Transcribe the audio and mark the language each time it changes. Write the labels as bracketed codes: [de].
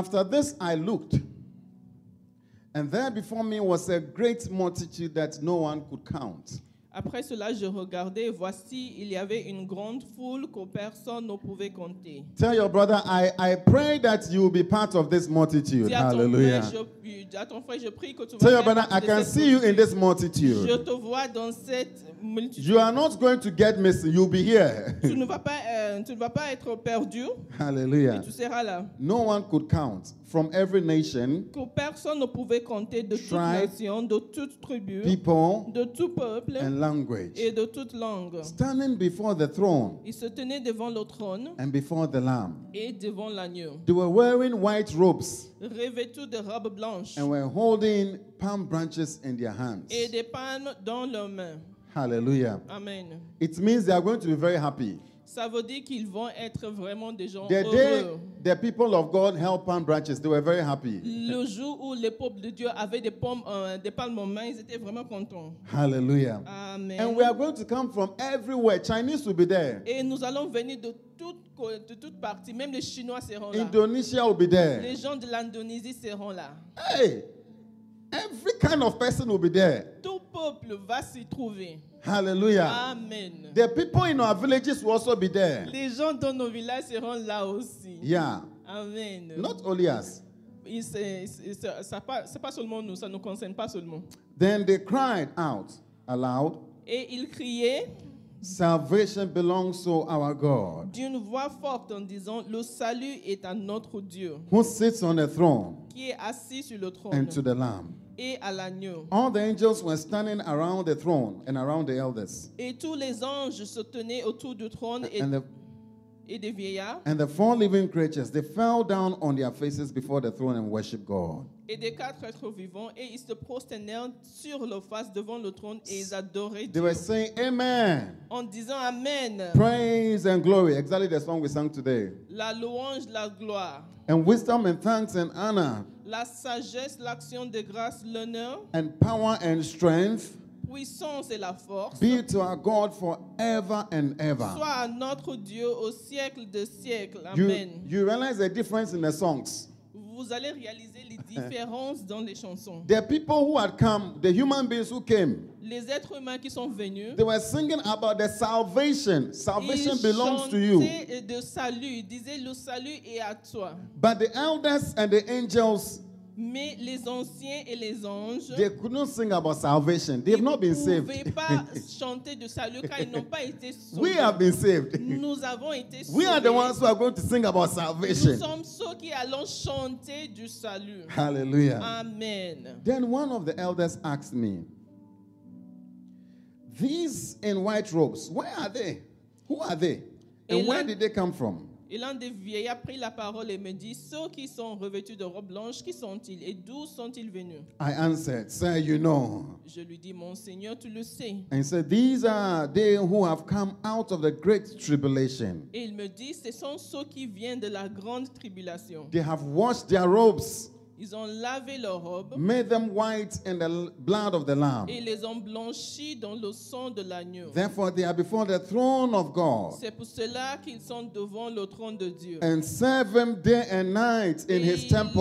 [en] After this I looked, and there before me was a great multitude that no one could count. [fr] Après cela, je regardais, voici, il y avait une grande foule que personne ne pouvait compter. [en] Tell your brother, I pray that you will be part of this multitude. Hallelujah. Tell your brother, I can see you in this multitude. [fr] Je te vois dans cette multitude. [en] You are not going to get missing. You'll be here. [fr] tu ne vas pas être perdu. Hallelujah. Et tu seras là. [en] No one could count. From every nation, [fr] que personne ne pouvait compter de toute nation, de toute tribu, [en] people, [fr] de tout peuple, [en] and language, [fr] et de toute langue. [en] Standing before the throne, [fr] ils se tenaient devant le trône, [en] and before the Lamb, [fr] et devant l'agneau. [en] They were wearing white robes, [fr] revêtus de robes blanches, [en] and were holding palm branches in their hands, [fr] et des palmes dans leurs mains. Hallelujah. Amen. [en] It means they are going to be very happy. [fr] Ça veut dire qu'ils vont être vraiment des gens [en] the [fr] heureux. [en] Day the people of God held palm branches, they were very happy. [fr] Le jour où les peuples de Dieu avaient des pommes, des palmes en main, ils étaient vraiment contents. Hallelujah. Amen. [en] And we are going to come from everywhere. Chinese will be there. [fr] Et nous allons venir de toutes parties, même les Chinois seront là. [en] Indonesia will be there. [fr] Les gens de l'Indonésie seront là. [en] Hey, every kind of person will be there. [fr] Tout peuple va s'y trouver. Hallelujah. Amen. [en] The people in our villages will also be there. [fr] Les gens dans nos villages seront là aussi. [en] Yeah. Amen. Not only us. [fr] C'est pas seulement nous, ça nous concerne pas seulement. [en] Then they cried out aloud. [fr] Et ils criaient. [en] Salvation belongs to our God. [fr] D'une voix forte en disant, le salut est à notre Dieu. [en] Who sits on the throne? [fr] Qui est assis sur le trône? [en] And to the Lamb. [fr] Et à l'agneau. [en] All the angels were standing around the throne and around the elders. [fr] Et tous les anges se tenaient autour du trône et des vieillards. [en] And the four living creatures, they fell down on their faces before the throne and worshiped God. [fr] Et des quatre êtres vivants, et ils se prosternèrent sur leur face devant le trône et ils adoraient [en] Dieu. They were saying amen. [fr] En disant amen. [en] Praise and glory, exactly the song we sang today. [fr] La louange, la gloire. [en] And wisdom and thanks and honor. [fr] La sagesse, l'action de grâce, l'honneur. [en] And power and strength. [fr] Puissance et la force. [en] Be to our God forever and ever. [fr] Soit à notre Dieu au siècle de siècle. Amen. [en] You realize the difference in the songs. [fr] Vous allez réaliser les différences dans les chansons. [en] The people who had come, the human beings who came. [fr] Les êtres humains qui sont venus. [en] They were singing about the salvation. Salvation [fr] ils [en] belongs to you. [fr] De salut, disaient le salut est à toi. [en] But the elders and the angels. [fr] Mais les anciens et les anges. [en] They could not sing about salvation. They have not been saved. [fr] Ils ne pouvaient pas chanter de salut car ils n'ont pas été sauvés. [en] We have been saved. [fr] Nous avons été sauvés. [en] We are the ones who are going to sing about salvation. [fr] Nous sommes ceux qui allons chanter du salut. Hallelujah. Amen. [en] Then one of the elders asked me, these in white robes, where are they? Who are they? And where did they come from? [fr] Et l'un des vieillards a pris la parole et me dit, ceux qui sont revêtus de robes blanches, qui sont-ils et d'où sont-ils venus? [en] I answered, sir, you know. [fr] Je lui dis, mon Seigneur, tu le sais. [en] And he said, these are they who have come out of the great tribulation. [fr] Et il me dit, ce sont ceux qui viennent de la grande tribulation. [en] They have washed their robes. [fr] Ils ont lavé leurs robes. [en] Made them white in the blood of the Lamb. [fr] Et les ont blanchis dans le sang de l'agneau. [en] Therefore, they are before the throne of God. [fr] C'est pour cela qu'ils sont devant le trône de Dieu. [en] And serve him day and night in his temple.